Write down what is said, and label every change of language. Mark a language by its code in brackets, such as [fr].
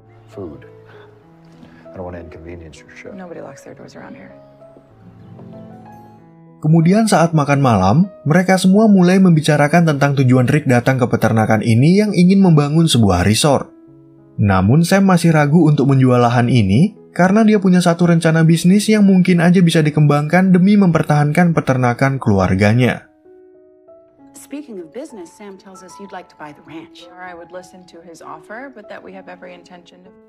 [en] Food. I don't want to inconvenience your show. Nobody locks their doors around here. [id] Kemudian saat makan malam, mereka semua mulai membicarakan tentang tujuan Rick datang ke peternakan ini yang ingin membangun sebuah resort. Namun Sam masih ragu untuk menjual lahan ini karena dia punya satu rencana bisnis yang mungkin aja bisa dikembangkan demi mempertahankan peternakan keluarganya. [en] speaking of business, Sam tells us you'd like to buy the ranch. I would listen to his offer, but that we have every intention of...